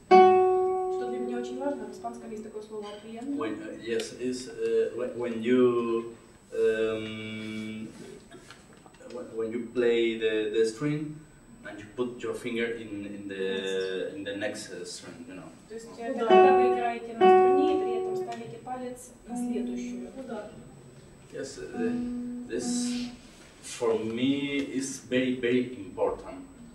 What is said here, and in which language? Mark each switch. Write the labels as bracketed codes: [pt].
[ru] Что для меня очень важно. В испанском есть такое слово apoyando. [en] Yes, is when you when you play the string and you put your finger in the next string, you know. [ru] То есть когда вы играете на струне и при этом ставите палец на следующую. [en] Yes, this for me is very very important.